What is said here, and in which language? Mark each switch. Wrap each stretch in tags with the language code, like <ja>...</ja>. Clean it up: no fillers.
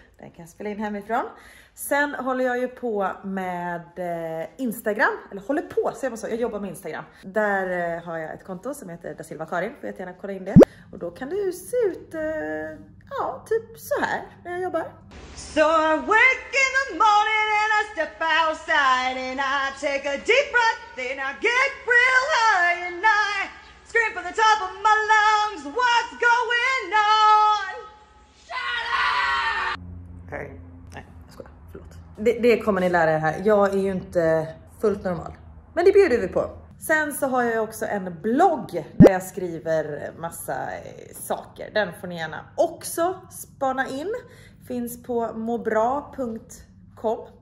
<sv>Den kan jag spela in hemifrån. Sen håller jag ju på med Instagram. Eller håller på, säger man så. Jag jobbar med Instagram. Där har jag ett konto som heter Da Silva Karin. Får jag gärna kolla in det. Och då kan det ju se ut, ja, typ så här när jag jobbar.</sv> <en>So I wake in the morning and I step outside and I take a deep breath and I get real high and I scream from the top of my lungs, what's going on? Shut up!</en> <sv>Det kommer ni lära er här. Jag är ju inte fullt normal. Men det bjuder vi på. Sen så har jag ju också en blogg där jag skriver massa saker. Den får ni gärna också spana in. Finns på mobra.com.</sv>